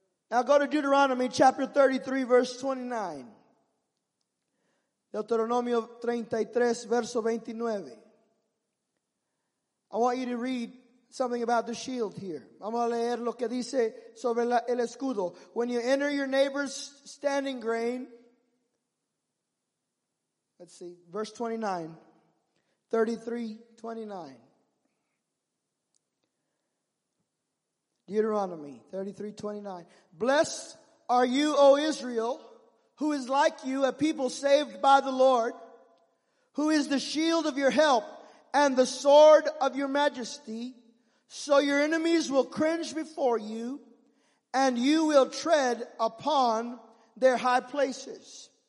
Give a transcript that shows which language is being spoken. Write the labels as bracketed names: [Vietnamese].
[English] Now go to Deuteronomy chapter 33, verse 29. [Spanish] Deuteronomio 33, verso 29. [English] I want you to read something about the shield here. [Spanish] Vamos a leer lo que dice sobre el escudo. [English] When you enter your neighbor's standing grain, let's see, verse 29, 33, 29. Deuteronomy 33, 29. Blessed are you, O Israel, who is like you, a people saved by the Lord, who is the shield of your help and the sword of your majesty, so your enemies will cringe before you and you will tread upon their high places.